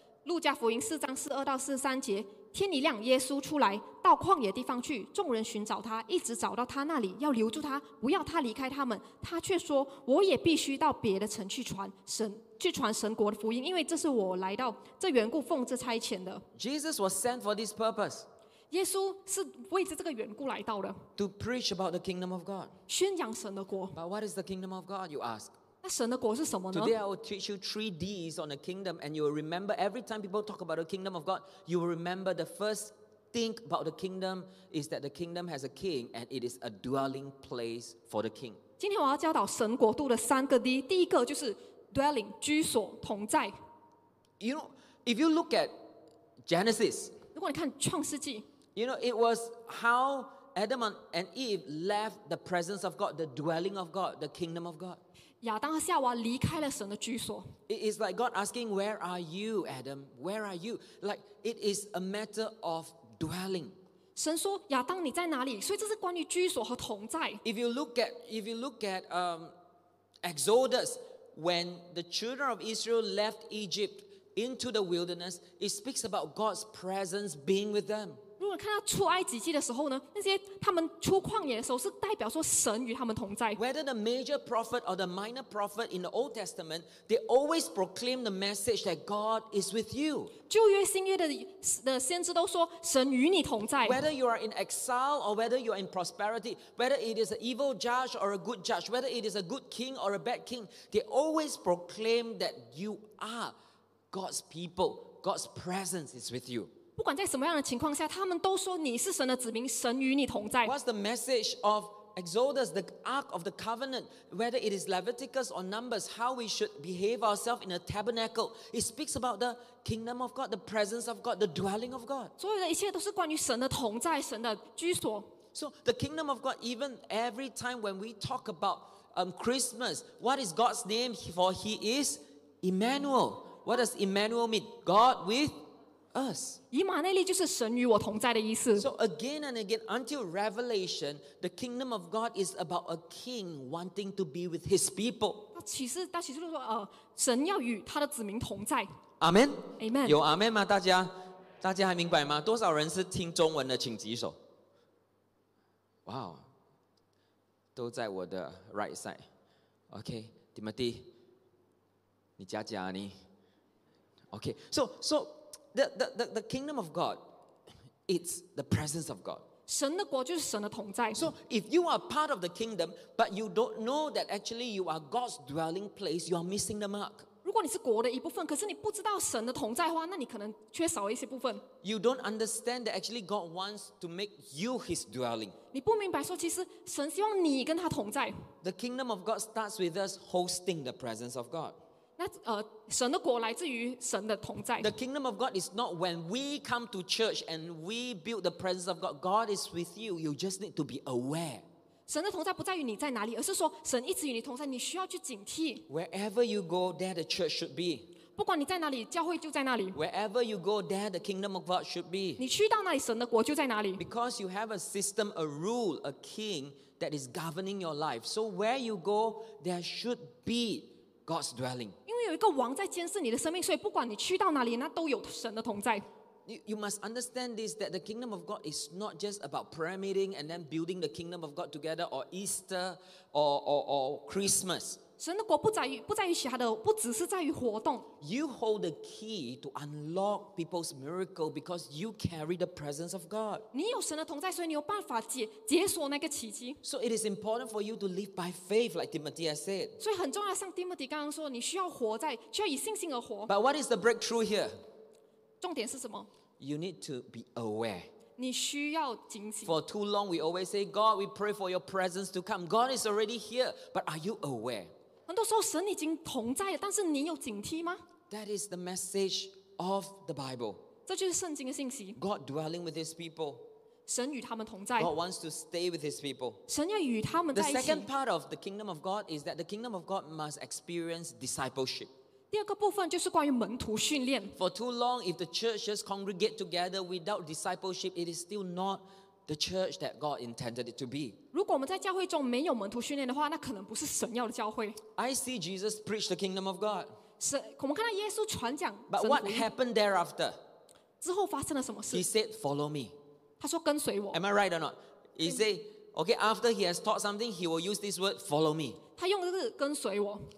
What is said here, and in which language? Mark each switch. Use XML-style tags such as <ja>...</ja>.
<zh>路加福音4:42-43节。天你亮耶稣出来到旷野地方去，众人寻找他，一直找到他那里，要留住他，不要他离开他们。他却说，我也必须到别的城去传神，去传神国的福音，因为这是我来到这缘故奉这差遣的。</zh> <en>Jesus was sent for this purpose.</en> <zh>耶稣是为着这个缘故来到的。</zh> <en>To preach about the kingdom of God.</en> <zh>宣扬神的国。</zh> <en>But what is the kingdom of God, you ask?</en> <zh>那神的国是什么呢？</zh> <en>Today I will teach you three D's on the kingdom, and you will remember every time people talk about the kingdom of God, you will remember the first thing about the kingdom is that the kingdom has a king, and it is a dwelling place for the king.</en> <zh>今天我要教导神国度的三个 D， 第一个就是dwelling， 居所，同在。</zh> <en>You know, if you look at Genesis,</en> <zh>如果你看创世纪，</zh> <en>you know, it was how Adam and Eve left the presence of God, the dwelling of God, the kingdom of God.</en> <zh>亚当和夏娃离开了神的居所。</zh> <en>It is like God asking, where are you, Adam? Where are you? Like, it is a matter of dwelling.</en> <zh>神说，亚当你在哪里？所以这是关于居所和同在。</zh> <en>If you look at Exodus,when the children of Israel left Egypt into the wilderness, it speaks about God's presence being with them.</en> <zh>如果看到出埃及记的时候呢，那些他们出旷野的时候，是代表说神与他们同在。</zh> <en>Whether the major prophet or the minor prophet in the Old Testament, they always proclaim the message that God is with you.</en> <zh>旧约新约的先知都说神与你同在。</zh> <en>Whether you are in exile or whether you are in prosperity, whether it is an evil judge or a good judge, whether it is a good king or a bad king, they always proclaim that you are God's people. God's presence is with you.</en> <zh>不管在什么样的情况下，他们都说你是神的子民，神与你同在。</zh> <en>What's the message of Exodus, the Ark of the Covenant, whether it is Leviticus or Numbers, how we should behave ourselves in a tabernacle? It speaks about the kingdom of God, the presence of God, the dwelling of God.</en> <zh>所有的一切都是关于神的同在，神的居所。</zh> <en>So the kingdom of God, even every time when we talk about Christmas, what is God's name? For He is Emmanuel. What does Emmanuel mean? God with us.</en> <zh>以马内利就是神与我同在的意思。</zh> <en>So again and again until Revelation, the kingdom of God is about a king wanting to be with his people.</en> <zh>那启示就是说神要与他的子民同在。</zh> <en>Amen. Amen.</en> <zh>有 Amen 吗？大家还明白吗？多少人是听中文的请举手。 Wow. 都在我的</zh> <en>right side.</en> <zh>Okay. Timothy, 你佳佳你。Okay.</zh> <en>So,The kingdom of God, it's the presence of God.</en> <zh>神的国就是神的同在。</zh> <en>So if you are part of the kingdom, but you don't know that actually you are God's dwelling place, you are missing the mark.</en> <zh>如果你是国的一部分，可是你不知道神的同在的话，那你可能缺少一些部分。</zh> <en>You don't understand that actually God wants to make you his dwelling.</en> <zh>你不明白说其实神希望你跟他同在。</zh> <en>The kingdom of God starts with us hosting the presence of God.</en> <zh>神的国来自于神的同在。</zh> <en>The kingdom of God is not when we come to church and we build the presence of God. God is with you. You just need to be aware.</en> <zh>神的同在不在于你在哪里，而是说神一直与你同在，你需要去警惕。</zh> <en>Wherever you go, there the church should be.</en> <zh>不管你在哪里，教会就在那里。</zh> <en>Wherever you go, there the kingdom of God should be.</en> <zh>你去到哪里，神的国就在哪里。</zh> <en>Because you have a system, a rule, a king that is governing your life. So where you go, there should be God's dwelling.</en> <zh>因为有一个王在监视你的生命，所以不管你去到哪里，那都有神的同在。</zh> <en>You must understand this, that the kingdom of God is not just about prayer meeting and then building the kingdom of God together, or Easter, or Christmas.</en> <zh>神的国不在于其他的，不只是在于活动。</zh> <en>You hold the key to unlock people's miracle because you carry the presence of God.</en> <zh>你有神的同在，所以你有办法解锁那个奇迹。</zh> <en>So it is important for you to live by faith, like Timothy has said.</en> <zh>所以很重要，像 Timothy 刚刚说，你需要以信心而活。</zh> <en>But what is the breakthrough here?</en> <zh>重点是什么？</zh> <en>You need to be aware.</en> <zh>你需要警醒。</zh> <en>For too long, we always say, God, we pray for your presence to come. God is already here, but are you aware?</en> <zh>很多时候神已经同在了，但是你有警惕吗？</zh> <en>That is the message of the Bible.</en> <zh>这就是圣经的信息。</zh> <en>God dwelling with his people.</en> <zh>神与他们同在。</zh> <en>God wants to stay with his people.</en> <zh>神要与他们在一起。</zh> <en>The second part of the kingdom of God is that the kingdom of God must experience discipleship.</en> <zh>第二个部分就是关于门徒训练。</zh> <en>For too long, if the churches congregate together without discipleship, it is still not the church that God intended it to be.</en> <zh>如果我们在教会中没有门徒训练的话，那可能不是神要的教会。</zh> <en>I see Jesus preach the kingdom of God.</en> <zh>我们看到耶稣传讲。</zh> <en>But what happened thereafter?</en> <zh>之后发生了什么事?</zh> <en>He said, follow me.</en> <zh>他说跟随我。</zh> <en>Am I right or not? He said, okay, after he has taught something, he will use this word, follow me.</en> <zh>他用这个跟随我。</zh>